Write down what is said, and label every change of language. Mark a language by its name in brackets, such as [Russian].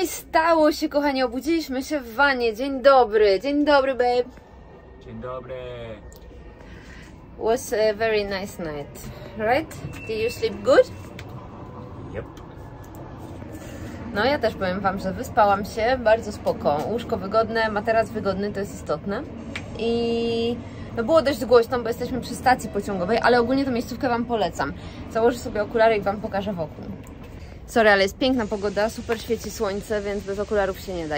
[Polish] Stało się, kochani, obudziliśmy się w wanie. Dzień dobry, babe. Dzień dobry. [English] Was a very nice night, right? Did you sleep good? Yep. [Polish] No, ja też powiem Wam, że wyspałam się bardzo spoko. Łóżko wygodne, materac wygodny, to jest istotne. I no, było dość głośno, bo jesteśmy przy stacji pociągowej, ale ogólnie tę miejscówkę Wam polecam. Założę sobie okulary i Wam pokażę wokół. Sorry, ale jest piękna pogoda, super świeci słońce, więc bez okularów się nie da.